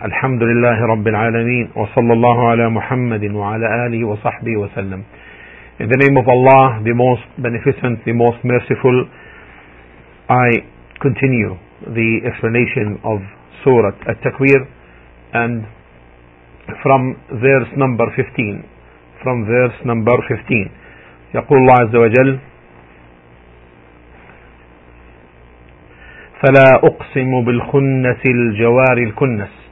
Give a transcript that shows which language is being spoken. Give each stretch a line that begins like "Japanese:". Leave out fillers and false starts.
Arabic: الحمد لله رب العالمين، وصلى الله على محمد وعلى آله وصحبه وسلم.
English: In the name of Allah, the most beneficent, the most merciful, I continue the explanation of Surah At-Takwir, and from verse number 15.
Arabic: يقول الله عز وجل: فلا أقسم بالخنس الجوار الكنس.